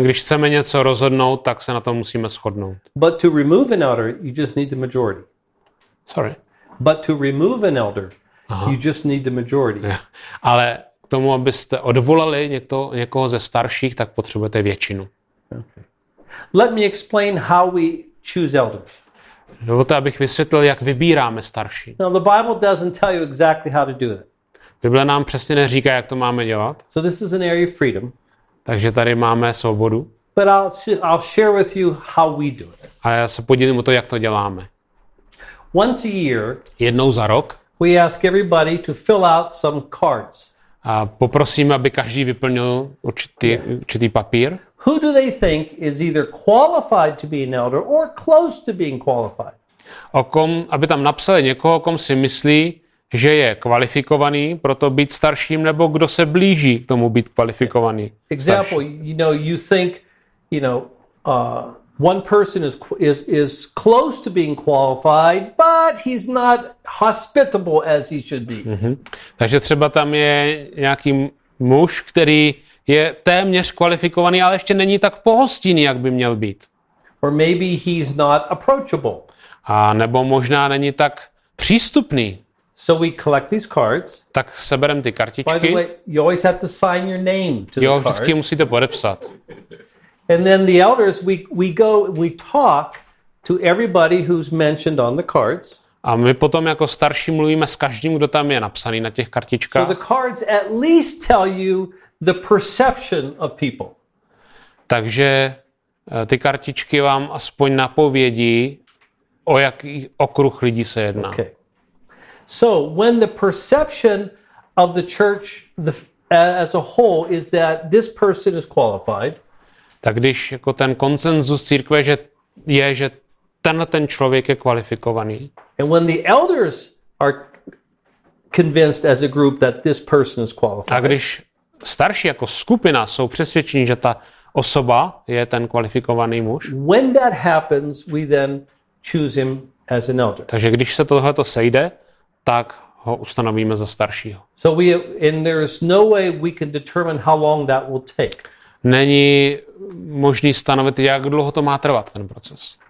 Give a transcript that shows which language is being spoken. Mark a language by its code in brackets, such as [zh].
[cs] Když chceme něco rozhodnout, tak se na tom musíme shodnout. [en] But to remove an elder, you just need the majority. Sorry. But to remove an elder, you just need the majority. Yeah. [cs] Ale k tomu, abyste odvolali někoho ze starších, tak potřebujete většinu. [en] Okay. Let me explain how we choose elders. [cs] Dovolte, abych vysvětlil, jak vybíráme starší. [en] Now the Bible doesn't tell you exactly how to do it. [cs] Bible nám přesně neříká, jak to máme dělat. [en] So this is an area of freedom. [cs] Takže tady máme svobodu. [en] But I'll share with you how we do it. [cs] A já se podívám o to, jak to děláme. [en] Once a year, [cs] jednou za rok, [en] we ask everybody to fill out some cards. [cs] A poprosíme, aby každý vyplnil určitý papír. [en] Who do they think is either qualified to be an elder or close to being qualified? [cs] aby tam napsali někoho, kom si myslí, že je kvalifikovaný pro to být starším, nebo kdo se blíží k tomu být kvalifikovaný. [en] Example, starší. You know, you think, you know, one person is close to being qualified, but he's not hospitable as he should be. Mm-hmm. [cs] Takže třeba tam je nějaký muž, který je téměř kvalifikovaný, ale ještě není tak pohostinný, jak by měl být. [en] Or maybe he's not approachable. [cs] A nebo možná není tak přístupný. [en] So we collect these cards. [cs] Tak seberem ty kartičky. [en] By the way, you always have to sign your name to the card. [cs] Jo, vždycky musíte podepsat. [en] And then the elders, we go, we talk to everybody who's mentioned on the cards. [cs] A my potom jako starší mluvíme s každým, kdo tam je napsaný na těch kartičkách. [en] So the cards at least tell you the perception of people. [cs] Takže ty kartičky vám aspoň napovědí, o jaký okruh lidí se jedná. [en] Okay. So when the perception of the church as a whole is that this person is qualified, [cs] tak když jako ten konsenzus církve je, že tenhle ten člověk je kvalifikovaný. [en] And when the elders are convinced as a group that this person is qualified. [cs] A když starší jako skupina jsou přesvědčeni, že ta osoba je ten kvalifikovaný muž. [en] When that happens, we then choose him as an elder. [cs] Takže když se tohle to sejde, tak ho ustanovíme za staršího. [en] So we and there is no way we can determine how long that will take. [cs] Není možný stanovit, jak dlouho to má trvat, ten proces.